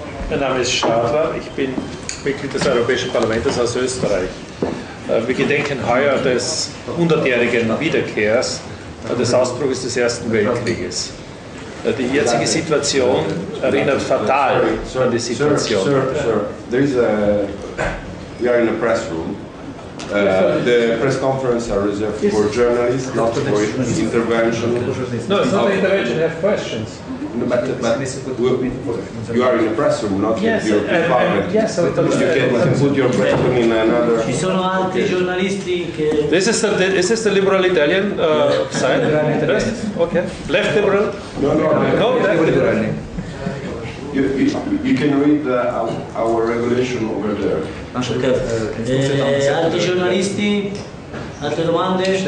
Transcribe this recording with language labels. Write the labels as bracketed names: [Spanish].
[German] Mein Name ist Stadler, ich bin Mitglied des Europäischen Parlaments aus Österreich. Wir gedenken heuer des 100-jährigen Wiederkehrs des Ausbruchs des Ersten Weltkrieges. Die jetzige Situation erinnert fatal an die Situation. [English] Sir, we are in a press room. The press conference are reserved for journalists, not for intervention. No, it's not intervention, you have questions. But you are in a press room, not in the European Parliament. Yes, I told you. You can put your press room in another. [Italian] Ci sono altri giornalisti che. [English] This is the liberal Italian side. Best? Okay. Left liberal? No, left liberal. You can read our regulation over there. [Italian] Altri giornalisti? Altre domande?